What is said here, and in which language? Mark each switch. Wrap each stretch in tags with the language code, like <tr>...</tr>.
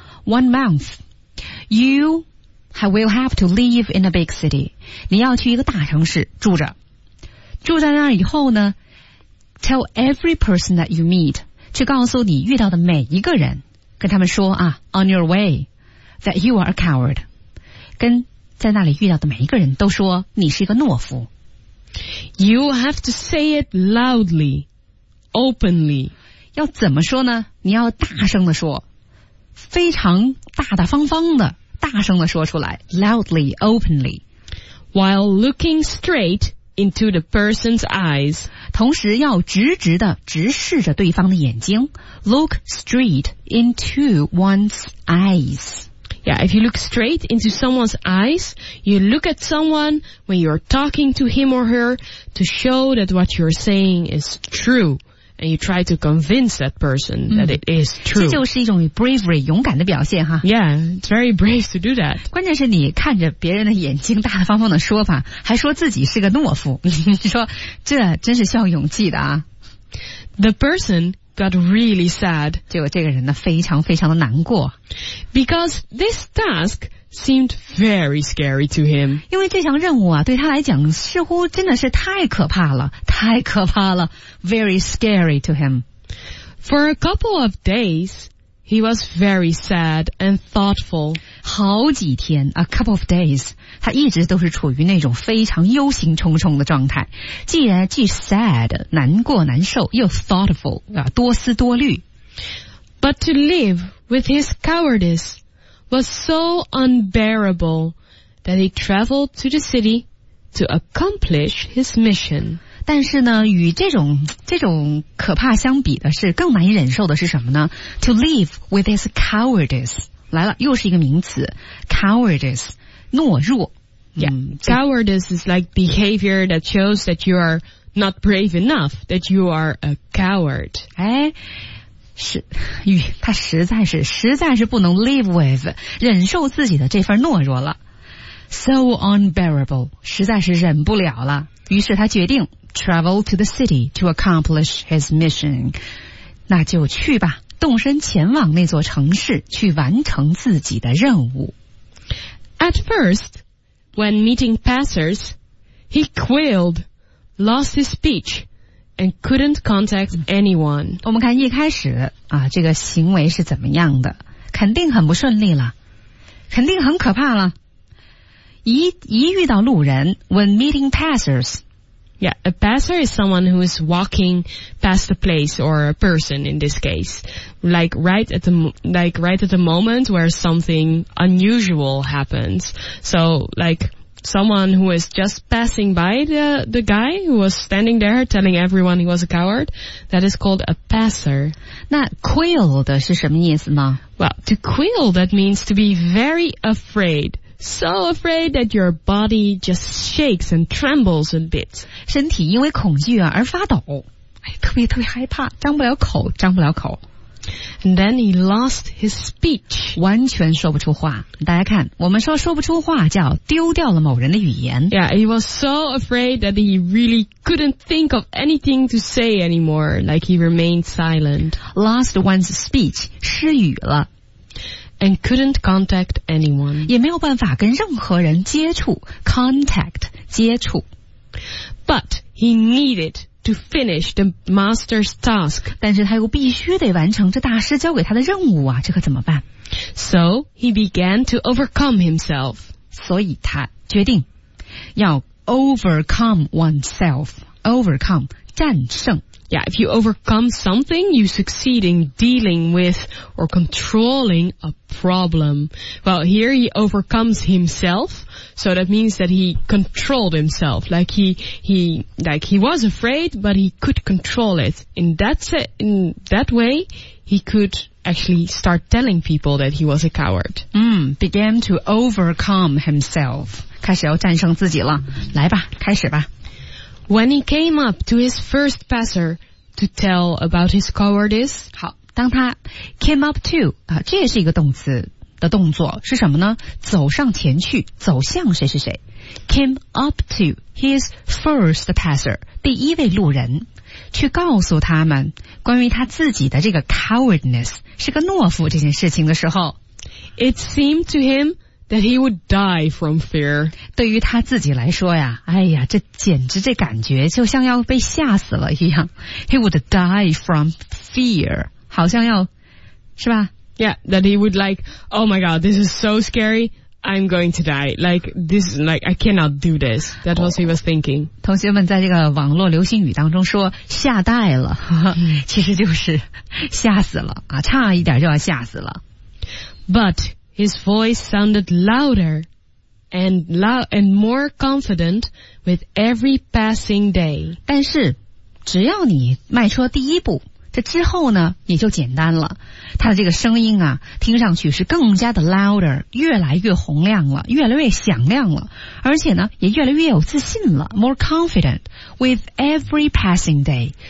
<en>One month, you will have to live in a big city.</en> <zh>你要去一个大城市住着。住在那儿以后呢，</zh> <en>Tell every person that you meet,</en> <zh>去告诉你遇到的每一个人，跟他们说啊 ,</zh> <en>on your way, that you are a coward.</en> <zh>跟在那里遇到的每一个人都说你是一个懦夫。</zh> <en>You have to say it loudly, openly.</en> <zh>要怎么说呢？你要大声地说，非常大大方方的，大声地说出来 ,</zh> <en>loudly, openly. While looking straight,into the person's eyes.</en> <zh>同时要直直地直视着对方的眼睛。</zh> <en>Look straight into one's eyes. Yeah, if you look straight into someone's eyes, you look at someone when you're talking to him or her to show that what you're saying is true. And you try to convince that person that it is true.</en> <zh>这就是一种 bravery, 勇敢的表现哈。</zh> <en>Yeah, it's very brave to do that.</en> <zh>关键是你看着别人的眼睛大大方方的说法，还说自己是个懦夫。你说这真是需要勇气的啊。</zh> <en>The person got really sad.</en> <zh>结果这个人呢非常非常的难过。</zh> <en>Because this task seemed very scary to him.</en> <zh>因为这项任务啊对他来讲似乎真的是太可怕了。太可怕了 ,</zh> <en>very scary to him. For a couple of days, he was very sad and thoughtful.</en> <zh>好几天 ,</zh> <en>a couple of days,</en> <zh>他一直都是处于那种非常忧心忡忡的状态。既 sad, 难过难受又 thoughtful, 多思多虑。</zh> <en>But to live with his cowardice was so unbearable that he traveled to the city to accomplish his mission.</en> <zh>但是呢与这种可怕相比的是更难以忍受的是什么呢</zh> <en>To live with his cowardice</en> <zh>来了又是一个名词 Cowardice 懦弱</zh> <en>Yeah, cowardice is like behavior that shows that you are not brave enough That you are a coward</en> <zh>哎是与他实在是不能</zh> <en>live with</en> <zh>忍受自己的这份懦弱了</zh> <en>So unbearable</en> <zh>实在是忍不了了于是他决定</zh> <en>Travel to the city to accomplish his mission.</en> <zh>那就去吧，动身前往那座城市，去完成自己的任务。</zh> <en>At first, when meeting passers, he quailed, lost his speech, and couldn't contact anyone.</en> <zh>我们看一开始啊，这个行为是怎么样的？肯定很不顺利了，肯定很可怕了。一遇到路人 ，</zh> <en>when meeting passers。 Yeah, a passer is someone who is walking past a place or a person in this case. Like right at the moment where something unusual happens. So like someone who is just passing by the guy who was standing there telling everyone he was a coward. That is called a passer.</en> <zh>那 quail 的是什么意思呢?</zh> <en>Well, to quail, that means to be very afraid. So afraid that your body just shakes and trembles a bit.</en> <zh>身体因为恐惧啊而发抖。哎，特别特别害怕，张不了口，张不了口。</zh> <en>And then he lost his speech.</en> <zh>完全说不出话。大家看，我们说说不出话叫丢掉了某人的语言。</zh> <en>Yeah, he was so afraid that he really couldn't think of anything to say anymore. Like he remained silent. Lost one's speech,</en> <zh>失语了。</zh> <en>And couldn't contact anyone.</en> <zh>也没有办法跟任何人接触 contact, 接触。</zh> <en>But he needed to finish the master's task.</en> <zh>但是他又必须得完成这大师交给他的任务啊，这可怎么办？</zh> <en>So he began to overcome himself.</en> <zh>所以他决定要</zh> <en>overcome oneself.</en> <zh>Overcome, 战胜。</zh> <en>Yeah, if you overcome something, you succeed in dealing with or controlling a problem. Well, here he overcomes himself, so that means that he controlled himself. Like he was afraid, but he could control it. In that way, he could actually start telling people that he was a coward. Began to overcome himself.</en> <zh>开始要战胜自己了。来吧，开始吧。</zh> <en>When he came up to his first passer to tell about his cowardice.</en> <zh>好，当他</zh> <en>came up to,</en> <zh>啊，这也是一个动词的动作，是什么呢？走上前去，走向谁谁谁。</zh> <en>Came up to his first passer,</en> <zh>第一位路人，去告诉他们关于他自己的这个 cowardness, 是个懦夫这件事情的时候。</zh> <en>It seemed to him,That he would die from fear.</en> <zh>对于他自己来说呀，哎呀，这简直这感觉就像要被吓死了一样。</zh> <en>He would die from fear.</en> <zh>好像要，是吧？</zh> <en>Yeah, that he would like, oh my god, this is so scary, I'm going to die. Like, this is like, I cannot do this. That was he was thinking.</en> <zh>同学们在这个网络流行语当中说，吓呆了，其实就是吓死了，啊，差一点就要吓死了。</zh> <en>But,His voice sounded louder and and more confident with every passing day.</en> <zh>但是只要你迈出第一步，这之后呢也就简单了。他的这个声音啊听上去是更加的 louder, 越来越洪亮了，越来越响亮了，而且呢也越来越有自信了，</zh> <en>more confident with every passing day.</en>